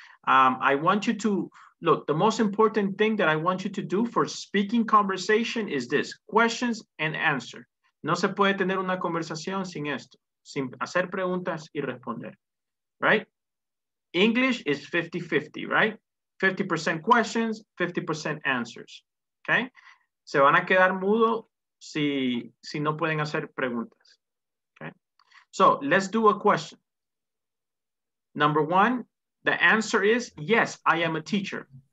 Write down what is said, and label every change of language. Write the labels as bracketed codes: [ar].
[en] I want you to, look, the most important thing that I want you to do for speaking conversation is this, questions and answer. [es] No se puede tener una conversación sin esto, sin hacer preguntas y responder, right? [en] English is 50-50, right? 50% questions, 50% answers, okay? [es] Se van a quedar mudo si no pueden hacer preguntas, okay? [en] So, let's do a question. Number one, the answer is, yes, I am a teacher.